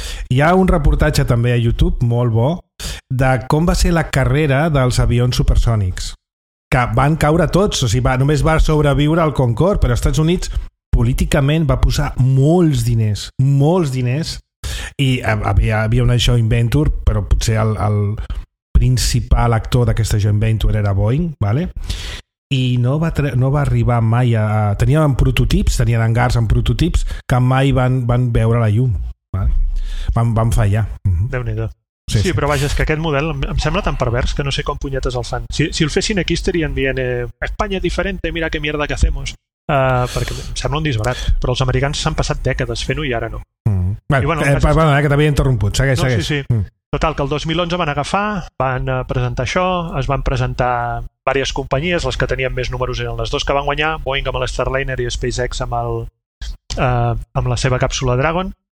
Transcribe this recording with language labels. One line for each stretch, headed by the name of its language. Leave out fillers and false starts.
Catalan: Hi ha un reportatge també a YouTube, molt bo, de com va ser la carrera dels avions supersònics, que van caure tots, o sigui, només va sobreviure el Concorde, però als Estats Units políticament va posar molts diners, i havia una joint venture, però potser el principal actor d'aquesta joint venture era Boeing, vale? I no va arribar mai a... tenien hangars amb prototips que mai van veure la llum. Van fallar. Déu-n'hi-do. Sí, però vaja, és que aquest model em sembla tan pervers que no sé com punyetes el fan. Si el fessin aquí estarien dient
Spanish: España diferente, mira qué mierda que hacemos.
Catalan: Perquè em sembla un disbarat. Però els americans s'han passat dècades fent-ho i ara no. Que t'havia interromput. Segueix. Sí, sí. Total, que el 2011 van agafar, van presentar això, es van presentar diverses companyies, les que tenien més números eren les dues que van guanyar, Boeing amb l'Starliner i SpaceX amb la seva càpsula Dragon.